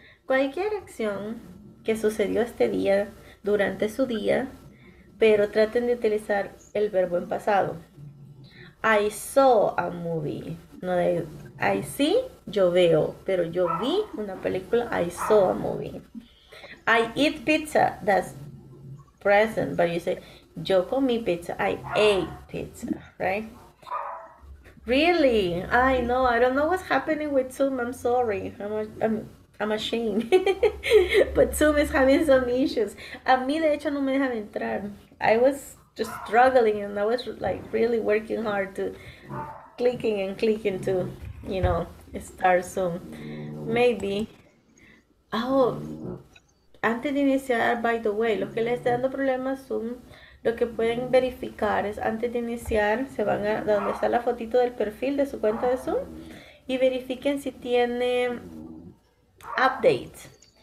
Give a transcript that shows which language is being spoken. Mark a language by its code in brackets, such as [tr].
[es] Cualquier acción que sucedió este día, durante su día, pero traten de utilizar el verbo en pasado. [en] I saw a movie. No, I see, [es] yo veo, pero yo vi una película, [en] I saw a movie. I eat pizza, that's present, but you say, [es] yo comí pizza, [en] I ate pizza, right? Really? I know, I don't know what's happening with Zoom, I'm sorry. I'm ashamed. But Zoom is having some issues. [es] A mí, de hecho, no me dejan entrar. [en] I was just struggling and I was like really working hard to clicking and clicking to, you know, start Zoom. Maybe. [es] Oh, antes de iniciar, [en] by the way, [es] lo que le está dando problemas Zoom, lo que pueden verificar es antes de iniciar, se van a donde está la fotito del perfil de su cuenta de Zoom y verifiquen si tiene updates.